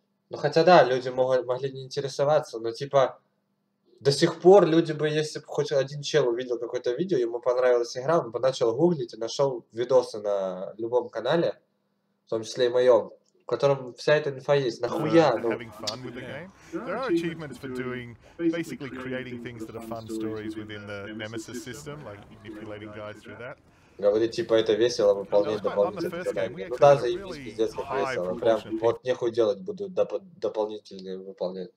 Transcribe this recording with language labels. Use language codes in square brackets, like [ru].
[ru] Ну хотя да, люди могли не интересоваться, но типа... До сих пор люди бы, если бы хоть один чел увидел какое-то видео, ему понравилась игра, он бы начал гуглить и нашел видосы на любом канале, в том числе и моем, в котором вся эта инфа есть. Нахуя, ну... [en] There are achievements for doing, basically creating things that are fun stories within the Nemesis system, like manipulating guys through that. [ru] Говорит, типа, это весело выполнять дополнительные задания. Ну да, заебись, пиздец, как весело. Прям, вот нехуй делать буду, дополнительные выполнять.